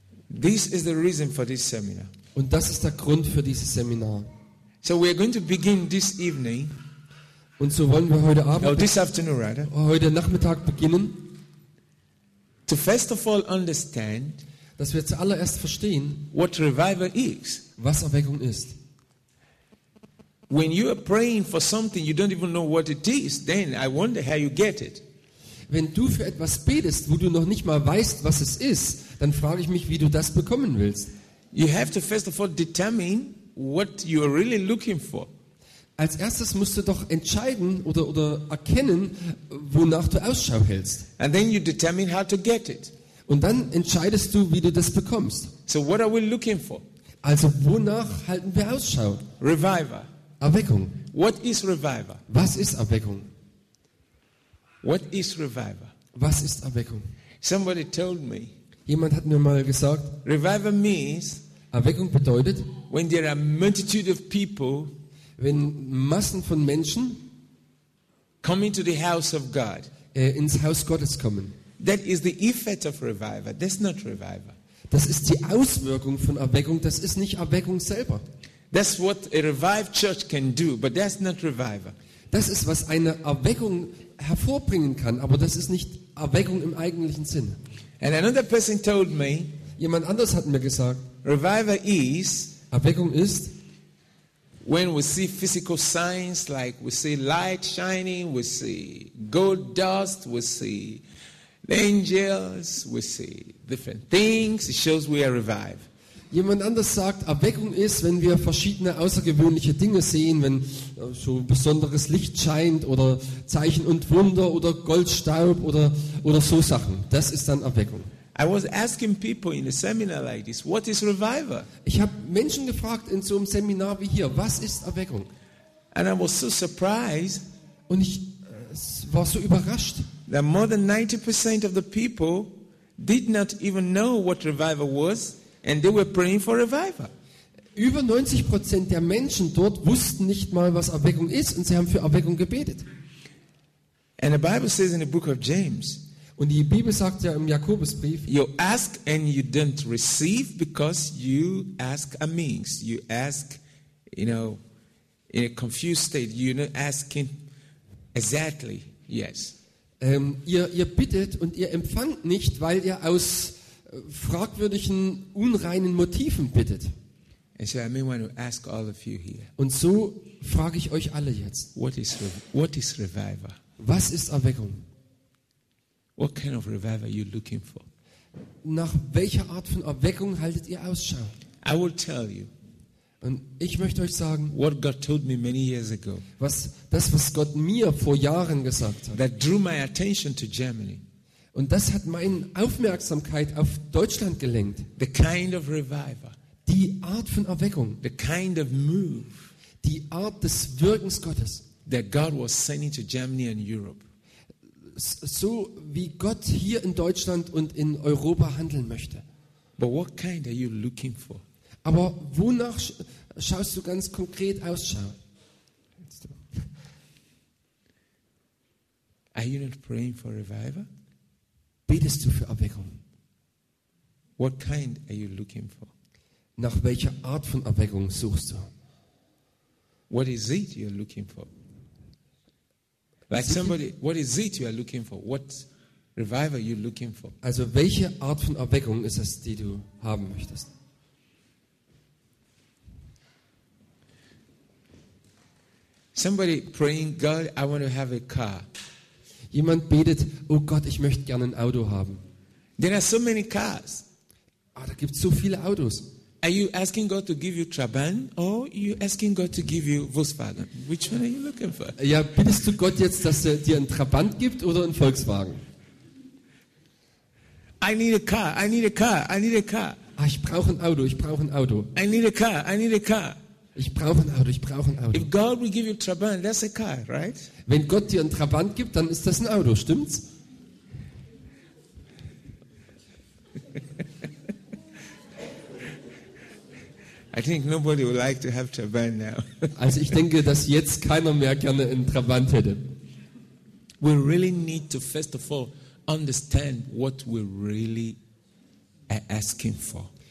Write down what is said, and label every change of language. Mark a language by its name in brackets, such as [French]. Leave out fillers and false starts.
[English] This is the reason for this seminar. [German] Und das ist der Grund für dieses Seminar. [English] So we are going to begin this evening. [German] Und so wollen wir heute Abend, [English] this afternoon, rather, [German] heute Nachmittag beginnen, [English] to first of all understand, [German] dass wir zuallererst verstehen, [English] what revival is. [German] Was Erweckung ist. [English] When you are praying for something you don't even know what it is, then I wonder how you get it. [German] Wenn du für etwas betest, wo du noch nicht mal weißt, was es ist, dann frage ich mich, wie du das bekommen willst. [English] You have to first of all determine what you are really looking for. [German] Als erstes musst du doch entscheiden oder erkennen, wonach du Ausschau hältst. [English] And then you determine how to get it. [German] Und dann entscheidest du, wie du das bekommst. [English] So what are we looking for? [German] Also wonach halten wir Ausschau? [English] Revival. [German] Erweckung. [English] What is revival? [German] Was ist Erweckung? [English] What is revival? [German] Was ist Erweckung? [English] Somebody told me. [German] Jemand hat mir mal gesagt. [English] Revival means. [German] Erweckung bedeutet. [English] When there are a multitude of people. [German] Wenn Massen von Menschen. [English] Coming to the house of God. [German] Ins Haus Gottes kommen. [English] That is the effect of revival. That's not revival. [German] Das ist die Auswirkung von Erweckung. Das ist nicht Erweckung selber. [English] That's what a revived church can do, but that's not revival. [German] Das ist, was eine Erweckung hervorbringen kann, aber das ist nicht Erweckung im eigentlichen Sinn. [English] And another person told me, [German] jemand anders hat mir gesagt, [English] revival is, [German] Erweckung ist, [English] when we see physical signs, like we see light shining, we see gold dust, we see the angels, we see different things, it shows we are revived. [German] Jemand anders sagt, Erweckung ist, wenn wir verschiedene außergewöhnliche Dinge sehen, wenn so besonderes Licht scheint oder Zeichen und Wunder oder Goldstaub oder so Sachen. Das ist dann Erweckung. [English] I was asking people in a seminar like this, what is revival? [German] Ich habe Menschen gefragt in so einem Seminar wie hier, was ist Erweckung? [English] And I was so surprised. [German] Und ich war so überrascht. [English] That more than 90% of the people did not even know what revival was. And they were praying for revival. [German] Über 90% der Menschen dort wussten nicht mal, was Erweckung ist, und sie haben für Erweckung gebetet. [English] And the Bible says in the book of James, [German] und die Bibel sagt ja im Jakobusbrief, [English] you ask and you don't receive because you ask amiss. You ask, you know, in a confused state. You're not asking exactly. Yes. [German] Ihr bittet und ihr empfangt nicht, weil ihr aus fragwürdigen, unreinen Motiven bittet. [English] And so I may want to ask all of you here, [German] und so frage ich euch alle jetzt, [English] what is revival? [German] Was ist Erweckung? [English] What kind of revival are you looking for? [German] Nach welcher Art von Erweckung haltet ihr Ausschau? [English] I will tell you, [German] und ich möchte euch sagen, [English] what God told me many years ago, [German] was Gott mir vor Jahren gesagt hat, [English] that drew my attention to Germany. [German] Und das hat meine Aufmerksamkeit auf Deutschland gelenkt. [English] The kind of revival. [German] Die Art von Erweckung. [English] The kind of move. [German] Die Art des Wirkens Gottes. [English] That God was sending to Germany and Europe. [German] So wie Gott hier in Deutschland und in Europa handeln möchte. [English] But what kind are you looking for? [German] Aber wonach schaust du ganz konkret Ausschau? [English] Are you not praying for revival? [German] Betest du für Erweckung? [English] What kind are you looking for? [German] Nach welcher Art von Erweckung suchst du? [English] What is it you are looking for? Like somebody, what is it you are looking for? What revival are you looking for? [German] Also, welche Art von Erweckung ist es, die du haben möchtest? [English] Somebody praying, God, I want to have a car. [German] Jemand betet, oh Gott, ich möchte gerne ein Auto haben. [English] There are so many cars. [German] Ah, da gibt's so viele Autos. [English] Are you asking God to give you Trabant or are you asking God to give you Volkswagen? Which one are you looking for? [German] Ja, bittest du Gott jetzt, dass er dir einen Trabant gibt oder einen Volkswagen? [English] I need a car, I need a car, I need a car. [German] Ah, ich brauche ein Auto, ich brauche ein Auto. [English] I need a car, I need a car. [German] Ich brauche ein Auto, ich brauche ein Auto. [English] If God will give you Trabant, that's a car, right? [German] Wenn Gott dir einen Trabant gibt, dann ist das ein Auto, stimmt's? [English] I think nobody would like to have Trabant now. [German] Also ich denke, dass jetzt keiner mehr gerne einen Trabant hätte. [English] We really need to first of all understand what we really are asking for.